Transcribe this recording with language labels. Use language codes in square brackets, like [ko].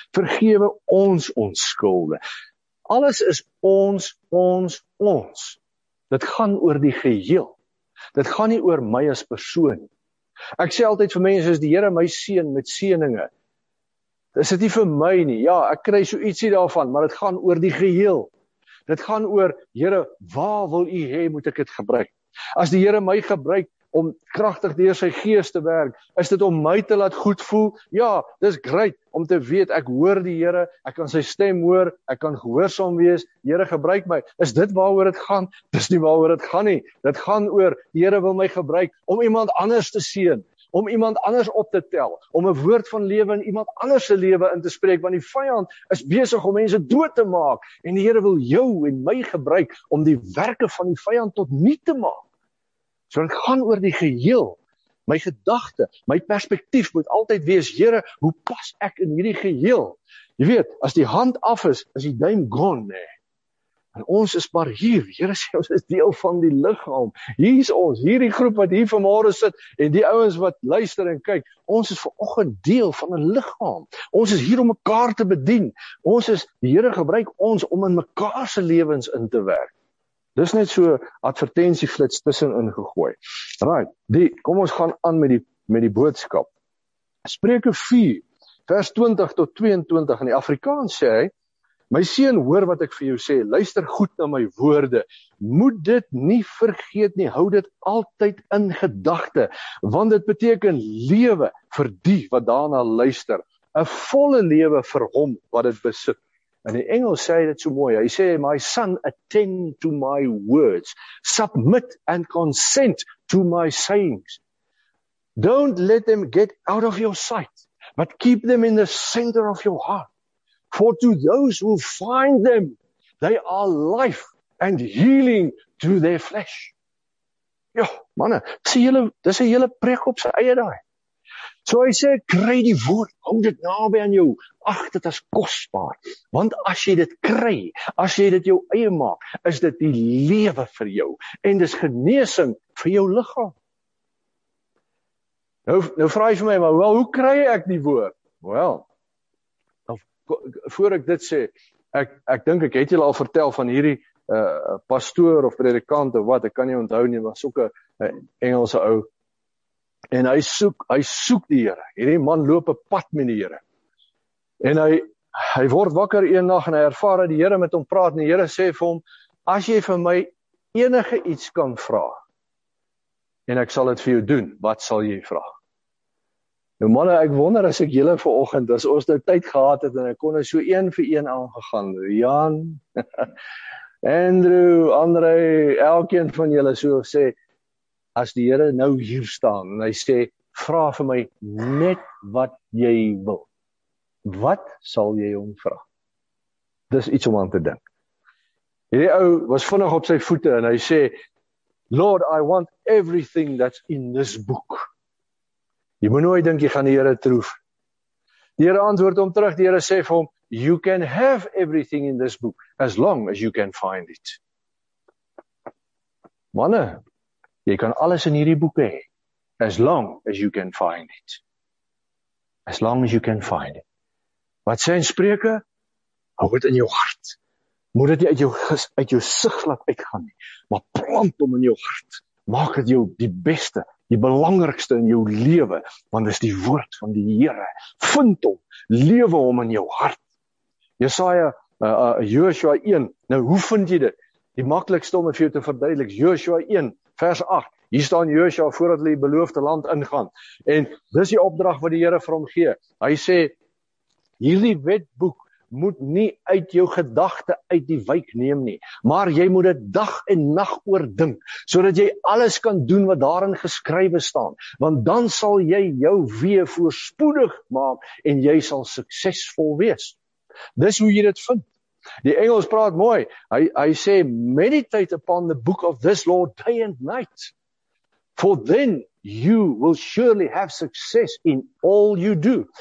[af] Vergewe ons ons skulde. Alles is ons, ons, ons. Dit gaan oor die geheel. Dit gaan nie oor my as persoon. Ek sê altyd vir mense, as die Here my seën met seëninge, dis dit nie vir my nie. Ja, ek kry so ietsie daarvan, maar dit gaan oor die geheel. Dit gaan oor, Here, waar wil u hê, moet ek dit gebruik? As die Here my gebruik om kragtig deur sy gees te werk, is dit om my te laat goed voel? Ja, dis great om te weet, ek hoor die Here, ek kan sy stem hoor, ek kan gehoorsaam wees, Here gebruik my. Is dit waaroor dit gaan? Dis nie waaroor dit gaan nie. Dit gaan oor, die Here wil my gebruik om iemand anders te seën, om iemand anders op te tel, om 'n woord van lewe in iemand anders se lewe in te spreek, want die vyand is besig om mense dood te maak, en die Here wil jou en my gebruik om die werke van die vyand tot nie te maak. So ek gaan oor die geheel, my gedagte, my perspektief moet altyd wees, Here, hoe pas ek in hierdie geheel? Jy weet, as die hand af is, is die duim gone, nee. En ons is maar hier, Here sê ons is deel van die liggaam. Hier is ons, hierdie groep wat hier vanmôre sit en die ouens wat luister en kyk, ons is vanoggend deel van 'n liggaam. Ons is hier om mekaar te bedien. Ons is, die Here gebruik ons om in mekaar se lewens in te werk. Dis net so advertensieflits tussenin gegooi. Right, kom ons gaan aan met die boodskap. Spreuke 4 vers 20 tot 22 in die Afrikaans sê hy: My seun, hoor wat ek vir jou sê, luister goed na my woorde. Moet dit nie vergeet nie, hou dit altyd in gedagte, want dit beteken lewe vir die wat daarna luister, 'n volle lewe vir hom wat dit besit. En die Engels sê dit so mooi. Hy sê, [en] my son, attend to my words. Submit and consent to my sayings. Don't let them get out of your sight, but keep them in the center of your heart. For to those who find them, they are life and healing to their flesh. [af] Ja, manne, dis 'n hele preek op sy eie daai. So hy sê, kry die woord, hou dit naby aan jou. Ag, dit is kosbaar. Want as jy dit kry, as jy dit jou eie maak, is dit die lewe vir jou. En dis genesing vir jou liggaam. Nou vra jy vir my, maar hoe kry ek die woord? Wel, voor ek dit sê, ek dink ek het julle al vertel van hierdie pastoor of predikant of wat, ek kan nie onthou nie, maar soek 'n Engelse ou. En hy soek die Here. Hierdie man loop 'n pad met die Here. En hy word wakker een nag en hy ervaar dat die Here met hom praat. En die Here sê vir hom, as jy vir my enige iets kan vra, en ek sal dit vir jou doen, wat sal jy vra? Nou manne, ek wonder as ek julle vanoggend, as ons nou tyd gehad het en ek kon so een vir een aangegaan. Jan, Andrew, Andre, elkeen van julle so sê, as die Here nou hier staan en hy sê, vra vir my net wat jy wil, wat sal jy hom vra? Dis iets om aan te dink. Hierdie ou was vinnig op sy voete en hy sê, [en] Lord, I want everything that's in this book. [af] Jy moet nooit dink jy gaan die Here troef. Die Here antwoord hom terug, die Here sê vir hom, [en] you can have everything in this book, as long as you can find it. [af] Manne, jy kan alles in hierdie boek hê, [en] as long as you can find it. As long as you can find it. [af] Wat sê in Spreuke? Hou dit in jou hart. Moet dit nie uit jou sig laat uitgaan nie, maar plant hom in jou hart. Maak dit jou die beste, die belangrikste in jou lewe, want dis die woord van die Here. Vind hom, lewe hom in jou hart. Jesaja, Joshua 1. Nou hoe vind jy dit? Die maklikste om vir jou te verduidelik, Joshua 1 vers 8. Hier staan Joshua voordat hy die beloofde land ingaan. En dis die opdrag wat die Here vir hom gee. Hy sê, hierdie wetboek moet nie uit jou gedagte uit die wijk neem nie, maar jy moet dit dag en nag oor dink, sodat jy alles kan doen wat daarin geskrywe staan, want dan sal jy jou weë voorspoedig maak en jy sal suksesvol wees. Dis hoe jy dit vind. Die Engels praat mooi. Hy sê, [en] meditate upon the book of this law day and night. For then you will surely have success in all you do.